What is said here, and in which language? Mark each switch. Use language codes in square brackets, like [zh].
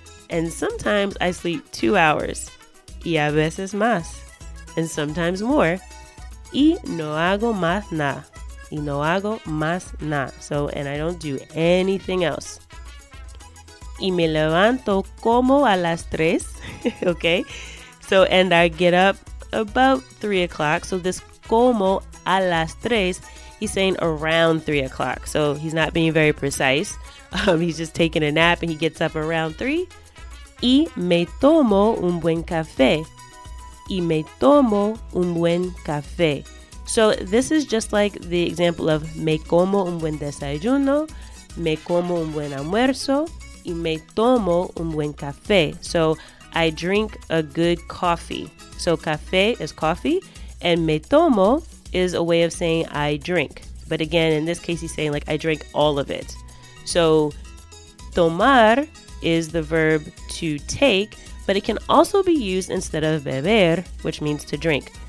[en] And sometimes I sleep 2 hours. [es] Y a veces más. [en] And sometimes more. [es] Y no hago más nada. Y no hago más nada. [en] So, and I don't do anything else. [es] Y me levanto como a las tres. [en] Okay. So, and I get up about 3 o'clock. So this [es] como a las tres, [en] he's saying around 3 o'clock. So he's not being very precise. He's just taking a nap and he gets up around 3. [es] Y me tomo un buen café. Y me tomo un buen café. [en] So this is just like the example of [es] me como un buen desayuno, me como un buen almuerzo, y me tomo un buen café. [en] So I drink a good coffee. So café is coffee, and [es] me tomo [en] is a way of saying I drink. But again, in this case, he's saying like I drink all of it. So tomar is the verb to take, but it can also be used instead of beber, which means to drink.